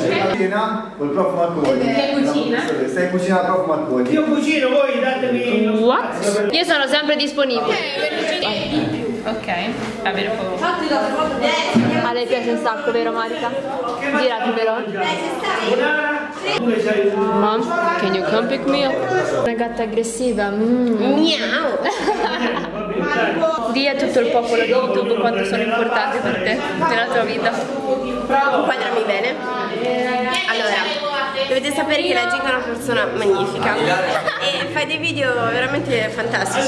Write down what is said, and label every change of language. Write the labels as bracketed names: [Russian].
[Italian] Cucina col prof Marconi. Che cucina? Stai cucinando il prof Marconi. Io cucino, voi datemi. [English] What? [Italian] Io sono sempre disponibile. Ok, va bene. A lei piace un sacco, vero Marica? Girati però. [English] Mom, can you come pick me up? [Italian] Una gatta aggressiva. Miau. Dì a tutto il popolo di YouTube quanto sono importante per te nella tua vita. Inquadrami bene. Allora, dovete sapere che la Ginga è una persona magnifica e fa dei video veramente fantastici.